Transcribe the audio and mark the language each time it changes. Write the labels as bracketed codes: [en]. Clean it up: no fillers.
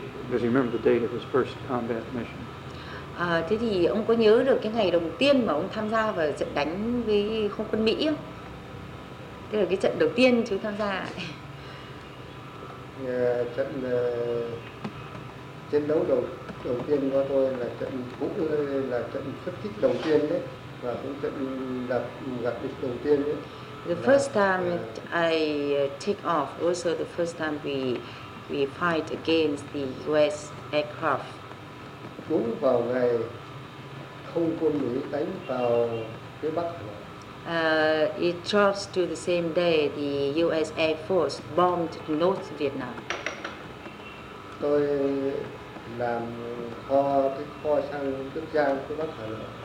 [en] Does he remember the date of his first combat mission? [vi] Thế thì ông có nhớ được cái ngày đầu tiên mà ông tham gia vào trận đánh với không quân Mỹ không? Tức là cái trận đầu tiên chú tham gia. Trận chiến đấu đầu tiên của tôi là trận cũ là trận xuất kích đầu tiên đấy và cũng trận gặp địch đầu tiên đấy. [en] The first time I take off, also the first time we fight against the US aircraft. [vi] Đúng vào ngày không quân Mỹ đánh vào phía Bắc. [en] It tracks to the same day the U.S. Air Force bombed North Vietnam. [vi] Tôi làm kho, cái kho xăng Đức Giang của Bắc Hải Lộ.